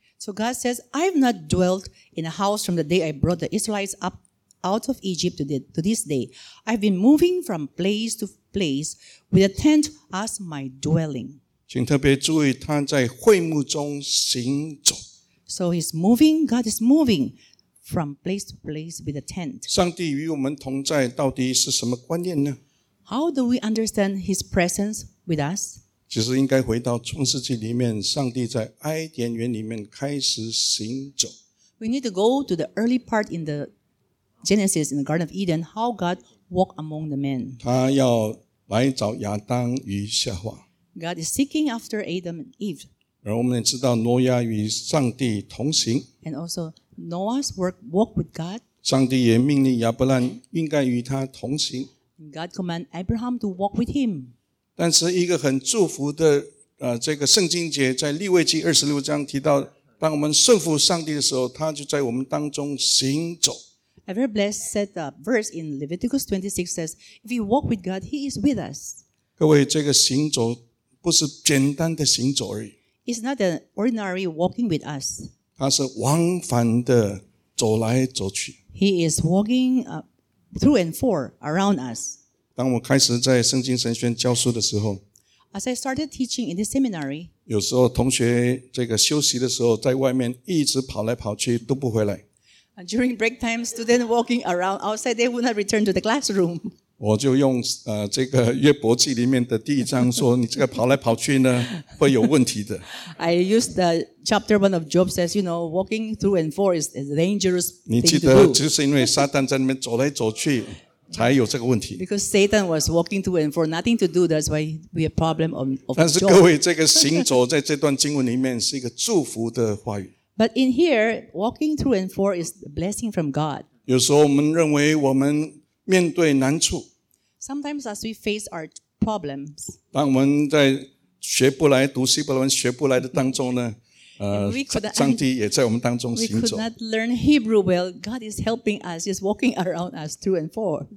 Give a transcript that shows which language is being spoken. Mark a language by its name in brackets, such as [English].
[English] So God says, I have not dwelt in a house from the day I brought the Israelites upOut of Egypt to this day, I've been moving from place to place with a tent as my dwelling. [Chinese] 请特别注意，他在会幕中行走。 [English] So he's moving. God is moving from place to place with a tent. [Chinese] 上帝与我们同在到底是什么观念呢？ [English] How do we understand His presence with us? [Chinese] 其实应该回到创世纪里面，上帝在埃甸园里面开始行走。 [English] We need to go to the early part in the Genesis in the Garden of Eden, how God walked among the men. [Chinese] 他要来找亚当与夏娃。 [English] God is seeking after Adam and Eve. [Chinese] 而我们也知道挪亚与上帝同行。 [English] And also Noah's walk with God. [Chinese] 上帝也命令亚伯兰应该与他同行。 [English] God command Abraham to walk with him. [Chinese] 但是一个很祝福的这个圣经节在利未记26章提到，当我们顺服上帝的时候，他就在我们当中行走。 [English] A very blessed set of verse in Leviticus 26 says, "If we walk with God, He is with us." [Chinese] 各位，这个行走不是简单的行走而已。 [English] It's not an ordinary walking with us. [Chinese] 他是往返的走来走去。 [English] He is walking through and for around us. [Chinese] 当我开始在圣经神学院教书的时候 [English] ，As I started teaching in the seminary, [Chinese] 有时候同学这个休息的时候，在外面一直跑来跑去都不回来。 [English] During break time, students walking around outside, they would not return to the classroom. [Chinese] 我就用这个约伯记里面的第一章说，你这个跑来跑去呢，会有问题的。 [English] I used the chapter one of Job says, you know, walking through and forth is a dangerous thing to do. [Chinese] 你记得，就是因为撒旦在那边走来走去，才有这个问题。 [English] Because Satan was walking through and forth, nothing to do. That's why we have problem of Job. [Chinese] 但是各位，这个行走在这段经文里面是一个祝福的话语。 [English] But in here, walking through and forth is a blessing from God. [Chinese] 有时候我们认为我们面对难处。 [English] Sometimes as we face our problems. [Chinese] 当我们在学不来、读希伯来文学不来的当中呢，上帝也在我们当中行走。 [English] We could not learn Hebrew well. God is helping us. He's walking around us to and for.